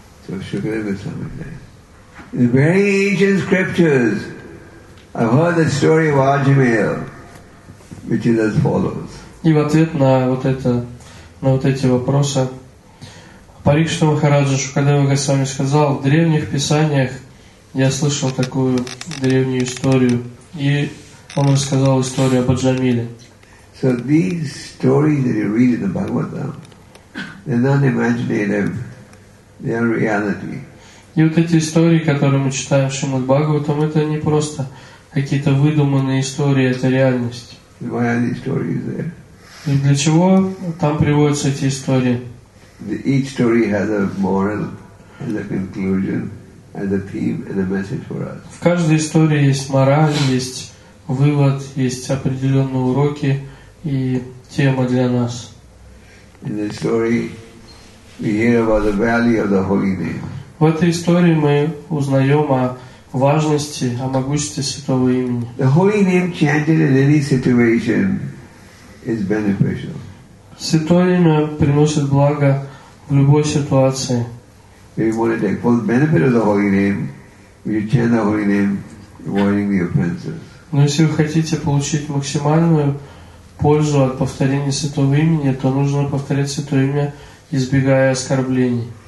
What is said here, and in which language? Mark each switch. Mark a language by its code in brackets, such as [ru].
[ru] И в ответ на вот это, на вот эти вопросы, Парикшит Махарадж Шукадева Госвами сказал, в древних писаниях я слышал такую древнюю историю, и он рассказал историю об Аджамиле. [en] So these stories that you read in the Bhagavatam, they're not imaginative, they are reality. [ru] И вот эти истории, которые мы читаем в Шримад Бхагаватам, это не просто какие-то выдуманные истории, это реальность. [en] Why are these stories there? [ru] И для чего там приводятся эти истории? [en] Each story has a moral, has a conclusion, has a theme and a message for us. [ru] В каждой истории есть мораль, есть вывод, есть определенные уроки и тема для нас. [en] In the story, we hear about the value of the holy name. [ru] В этой истории мы узнаем о важности, о могуществе святого имени. [en] The holy name chanted in any situation is beneficial. [ru] Святое имя приносит благо в любой ситуации. [en] If you want to take full benefit of the holy name, you chant the holy name, avoiding the offenses. [ru] Но если вы хотите получить максимальную пользу от повторения Святого Имени, то нужно повторять Святое Имя, избегая оскорблений.